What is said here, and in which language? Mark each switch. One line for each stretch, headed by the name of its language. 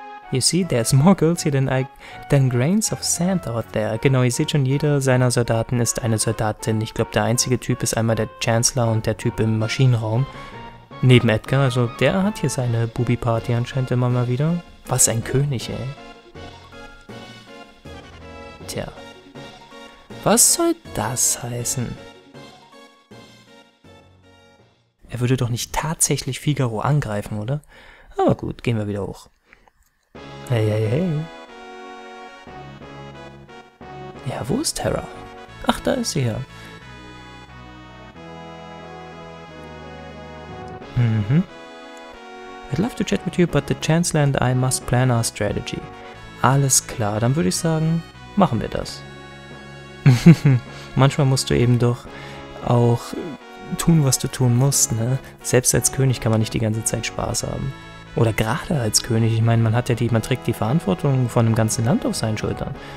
English: You see, there's more girls here than grains of sand out there.
German: Genau, ihr seht schon, jeder seiner Soldaten ist eine Soldatin. Ich glaube, der einzige Typ ist einmal der Chancellor und der Typ im Maschinenraum. Neben Edgar, also der hat hier seine Bubi-Party anscheinend immer mal wieder. Was ein König, ey. Tja. Was soll das heißen? Er würde doch nicht tatsächlich Figaro angreifen, oder? Aber gut, gehen wir wieder hoch. Hey, hey, hey. Ja, wo ist Terra? Ach, da ist sie ja. Mhm.
English: I'd love to chat with you, but the Chancellor and I must plan our strategy.
German: Alles klar, dann würde ich sagen, machen wir das. Manchmal musst du eben doch auch tun, was du tun musst, ne? Selbst als König kann man nicht die ganze Zeit Spaß haben. Oder gerade als König, ich meine, man trägt die Verantwortung von einem ganzen Land auf seinen Schultern.